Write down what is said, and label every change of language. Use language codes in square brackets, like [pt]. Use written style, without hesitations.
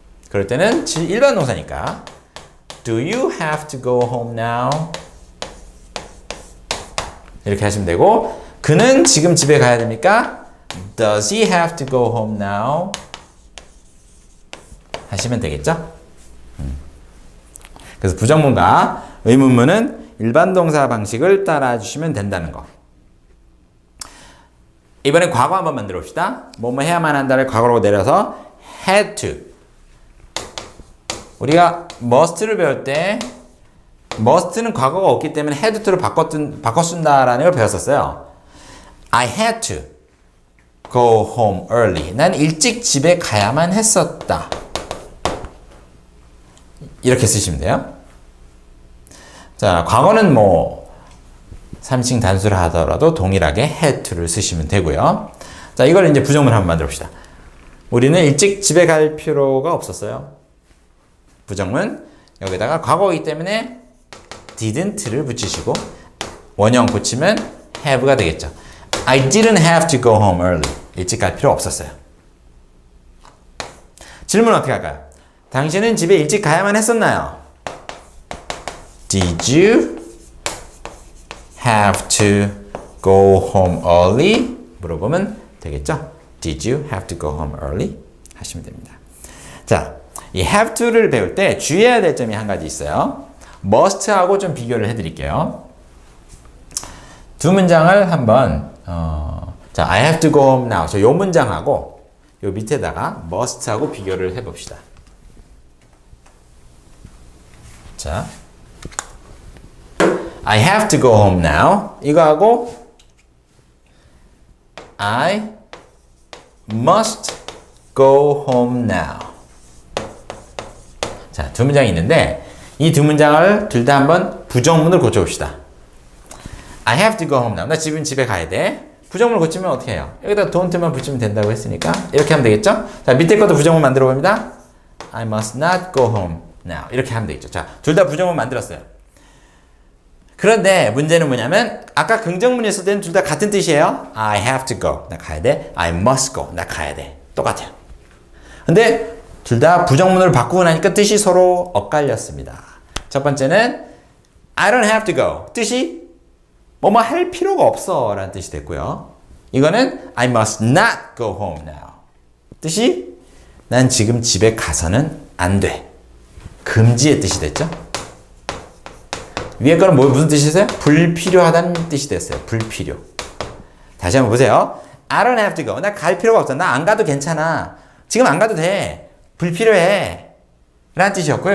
[ko] 그럴 때는 일반 동사니까 [en] Do you have to go home now? [ko] 이렇게 하시면 되고 그는 지금 집에 가야 됩니까? [en] Does he have to go home now? [ko] 하시면 되겠죠? 그래서 부정문과 의문문은 일반 동사 방식을 따라 주시면 된다는 거. 이번에 과거 한번 만들어 봅시다. 뭐뭐 해야만 한다를 과거로 내려서 had to. 우리가 must를 배울 때 must는 과거가 없기 때문에 had to로 바꿔 쓴다라는 걸 배웠었어요. [en] I had to go home early. [ko] 난 일찍 집에 가야만 했었다. 이렇게 쓰시면 돼요. 자, 과거는 뭐 3인칭 단수를 하더라도 동일하게 had to를 쓰시면 되고요. 자, 이걸 이제 부정문 한번 만들어 봅시다. 우리는 일찍 집에 갈 필요가 없었어요. 부정문 여기다가 과거이기 때문에 didn't를 붙이시고 원형 붙이면 have가 되겠죠. [en] I didn't have to go home early. [ko] 일찍 갈 필요 없었어요. 질문 어떻게 할까요? 당신은 집에 일찍 가야만 했었나요? [en] Did you have to go home early? [ko] 물어보면 되겠죠? [en] Did you have to go home early? [ko] 하시면 됩니다. 자, 이 have to를 배울 때 주의해야 될 점이 한 가지 있어요. must하고 좀 비교를 해드릴게요. 두 문장을 한번, [en] I have to go home now. [ko] 저요 문장하고 요 밑에다가 must하고 비교를 해봅시다. [en] 자, I have to go home now. [ko] 이거 하고 [en] I must go home now. [ko] 자, 두 문장이 있는데 이 두 문장을 둘 다 한번 부정문을 고쳐봅시다. [en] I have to go home now. [ko] 나 지금 집에 가야 돼. 부정문을 고치면 어떻게 해요? 여기다 don't만 붙이면 된다고 했으니까 이렇게 하면 되겠죠? 자, 밑에 것도 부정문 만들어 봅니다. [en] I must not go home now. [ko] 이렇게 하면 되겠죠. 자, 둘 다 부정문 만들었어요. 그런데 문제는 뭐냐면 아까 긍정문에 있을 때는 둘 다 같은 뜻이에요. [en] I have to go. [ko] 나 가야 돼. [en] I must go. [ko] 나 가야 돼. 똑같아요. 근데 둘 다 부정문으로 바꾸고 나니까 뜻이 서로 엇갈렸습니다. 첫 번째는 [en] I don't have to go. [ko] 뜻이 뭐뭐 할 필요가 없어 라는 뜻이 됐고요. 이거는 [en] I must not go home now. [ko] 뜻이 난 지금 집에 가서는 안 돼. 금지의 뜻이 됐죠. 위에 거는 무슨 뜻이세요? 불필요하다는 뜻이 됐어요. 불필요. 다시 한번 보세요. [en] I don't have to go. [ko] 나 갈 필요가 없어. 나 안 가도 괜찮아. 지금 안 가도 돼. 불필요해. 라는 뜻이었고요.